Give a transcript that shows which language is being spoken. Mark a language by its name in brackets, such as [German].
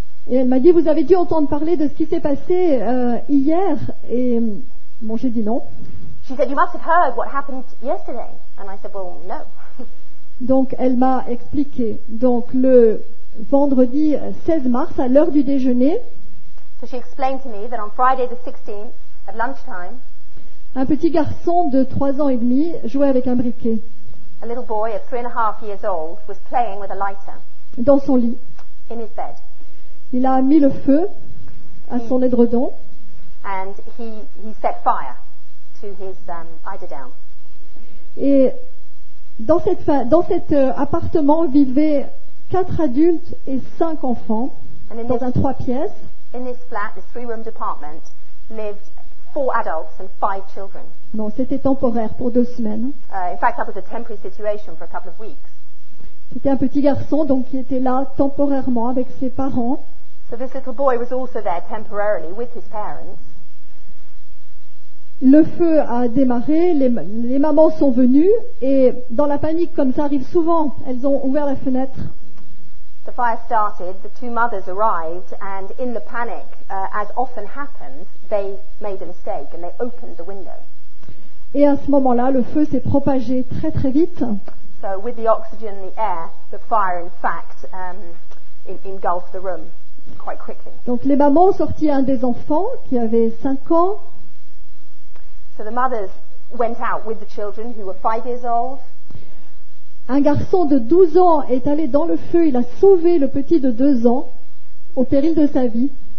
[French] Et elle m'a dit, vous avez dû entendre parler de ce qui s'est passé hier. Et bon, j'ai dit non. [English] She said, you must have heard what happened yesterday. And I said, well, no. [French] Donc, elle m'a expliqué. Donc, le vendredi 16 mars, à l'heure du déjeuner, [English] so she explained to me that on Friday the 16th, at lunchtime, [French] un petit garçon de 3 ans et demi jouait avec un briquet. [English] A little boy of 3.5 years old was playing with a lighter. [French] Dans son lit. [English] In his bed. [French] Il a mis le feu à son édredon. [English] And he set fire to his eiderdown. [French] Et dans cet appartement vivaient 4 adultes et 5 enfants dans un 3 pièces. [English] In this flat, this 3-room apartment, lived 4 adults and 5 children. [French] Non, c'était temporaire pour 2 semaines. [English] In fact, that was a temporary situation for a couple of weeks. [French] C'était un petit garçon donc qui était là temporairement avec ses parents. [English] So this little boy was also there temporarily with his parents. [French] Le feu a démarré, les mamans sont venues et dans la panique, comme ça arrive souvent, elles ont ouvert la fenêtre. [English] The fire started, the 2 mothers arrived and in the panic, as often happens, they made a mistake and they opened the window. [French] Et à ce moment-là, le feu s'est propagé très très vite. [English] So with the oxygen in the air, the fire in fact engulfed the room. Quite quickly. [French] Donc les mamans ont sorti un des enfants qui avait 5 ans. [English] So the mothers went out with the children who were 5 years old. [French] Un garçon de 12 ans est allé dans le feu, il a sauvé le petit de 2 ans au péril de sa vie.